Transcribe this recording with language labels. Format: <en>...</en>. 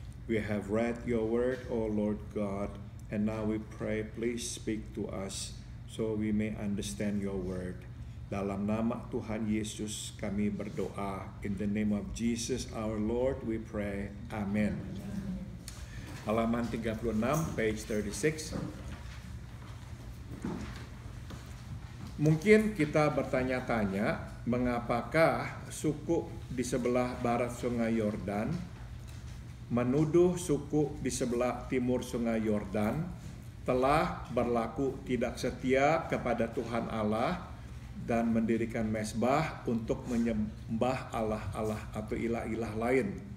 <en>We have read your word, O Lord God, and now we pray, please speak to us so we may understand your word.</en> <id>Dalam nama Tuhan Yesus kami berdoa.</id> <en>In the name of Jesus our Lord we pray.</en> <id>Amen. Halaman 36,</id> <en>page 36.</en> <id>Mungkin kita bertanya-tanya, mengapakah suku di sebelah barat sungai Yordan menuduh suku di sebelah timur sungai Yordan telah berlaku tidak setia kepada Tuhan Allah dan mendirikan mesbah untuk menyembah Allah-Allah atau ilah-ilah lain.</id>